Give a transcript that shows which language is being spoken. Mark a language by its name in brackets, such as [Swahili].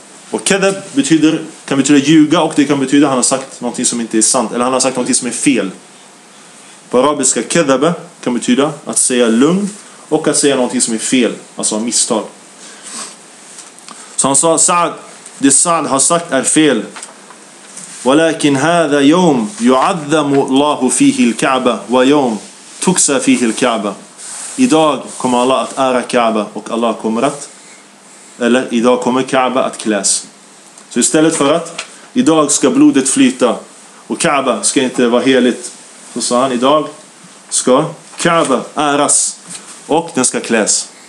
[Swedish] Och kadhab betyder, kan betyda ljuga, och det kan betyda att han har sagt någonting som inte är sant, eller han har sagt någonting som är fel. På arabiska kadhaba kan betyda att säga lugn och att säga någonting som är fel, alltså av misstag. Så han sa: "Sa'd, det Sa'd har sagt är fel. [Arabic] ولكن هذا يوم يعظم الله فيه الكعبة ويوم تكسى فيه الكعبة." [Swedish] Idag kommer Allah att ära Kaaba, och Allah kommer att, eller idag kommer Kaaba att kläs. Så istället för att idag ska blodet flyta och Kaaba ska inte vara heligt, så sa han: "Idag ska Kaaba äras och den ska kläs."